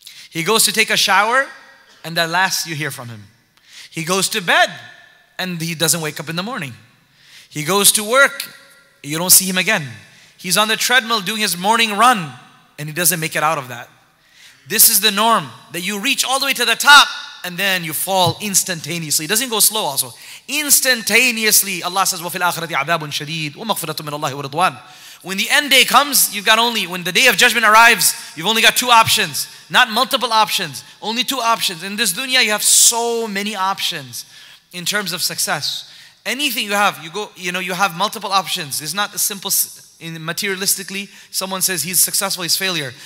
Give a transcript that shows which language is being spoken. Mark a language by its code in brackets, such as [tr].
[en] He goes to take a shower, and at last you hear from him. He goes to bed, and he doesn't wake up in the morning. He goes to work, you don't see him again. He's on the treadmill doing his morning run, and he doesn't make it out of that. This is the norm, that you reach all the way to the top, and then you fall instantaneously. It doesn't go slow also. Instantaneously, Allah says, [ar] وَفِي الْآخِرَةِ عَذَابٌ شَدِيدٌ وَمَغْفِرَةٌ مِنَ اللَّهِ وَرِضْوَانٌ. [en] When the end day comes, you've got only, when the day of judgment arrives, you've only got two options. Not multiple options, only two options. In this dunya, you have so many options in terms of success. Anything you have, you go, you have multiple options. It's not a simple, materialistically, someone says he's successful, he's failure.